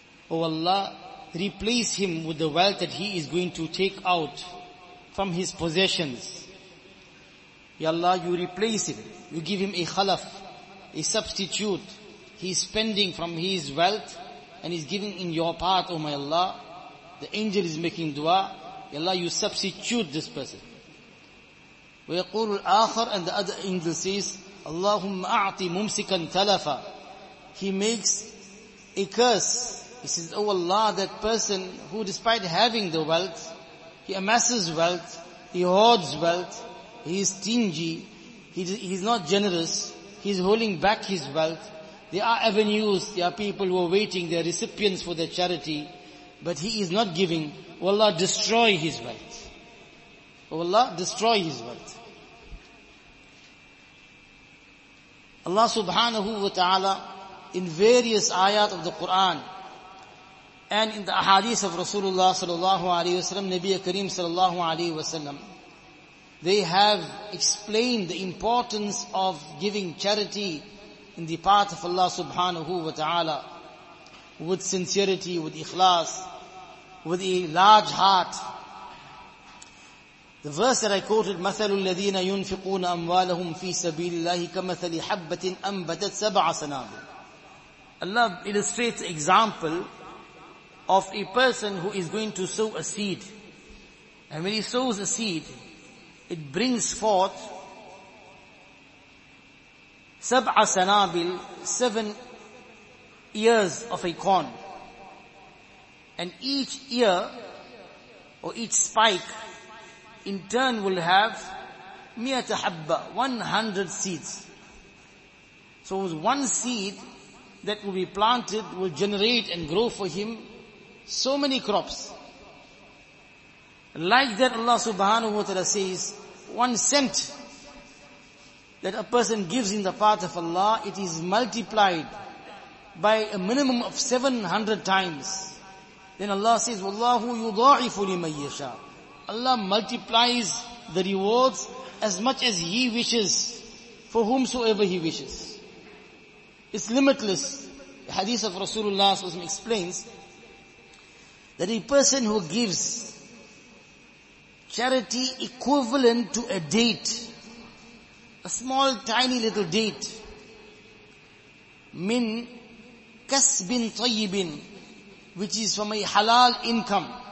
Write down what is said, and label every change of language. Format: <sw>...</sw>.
<en>O Allah, replace him with the wealth that he is going to take out from his possessions. Ya Allah, you replace him, you give him a khalaf, a substitute. He is spending from his wealth and is giving in your path, O my Allah. The angel is making dua. Ya Allah, you substitute this person.</en> <ar>ويقول الآخر,</ar> <en>and the other angel says,</en> <ar>اللهم أعطي ممسكا تلفا.</ar> <en>He makes a curse. He says, oh Allah, that person who despite having the wealth, he amasses wealth, he hoards wealth, he is stingy, he is not generous, he is holding back his wealth. There are avenues, there are people who are waiting, there are recipients for their charity, but he is not giving. O Allah, destroy his wealth. O Allah, destroy his wealth. Allah subhanahu wa ta'ala, in various ayat of the Quran, and in the ahadith of Rasulullah sallallahu alayhi wa sallam, Nabiya Kareem sallallahu alayhi wa sallam, they have explained the importance of giving charity in the path of Allah subhanahu wa ta'ala, with sincerity, with ikhlas, with a large heart. The verse that I quoted,</en> <ar>مَثَلُ الَّذِينَ يُنْفِقُونَ أَمْوَالَهُمْ فِي سَبِيلِ اللَّهِ كَمَثَلِ حَبَّةٍ أَنْبَتَتْ سَبْعَ سَنَابِلٍ.</ar> <en>Allah illustrates the example of a person who is going to sow a seed. And when he sows a seed, it brings forth</en> <ar>سَبْعَ سَنَابِلٍ,</ar> <en>7 ears of a corn. And each ear or each spike in turn will have 100 habba, 100 seeds. So one seed that will be planted will generate and grow for him so many crops. Like that Allah subhanahu wa ta'ala says, one cent that a person gives in the path of Allah, it is multiplied by a minimum of 700 times. Then Allah says,</en> <ar>وَاللَّهُ يُضَاعِفُ لِمَنْ يَشَاءُ.</ar> <en>Allah multiplies the rewards as much as He wishes, for whomsoever He wishes. It's limitless. The hadith of Rasulullah explains that a person who gives charity equivalent to a date, a small tiny little date,</en> <ar>مِنْ كَسْبٍ طَيِّبٍ,</ar> <en>which is from a halal income,</en>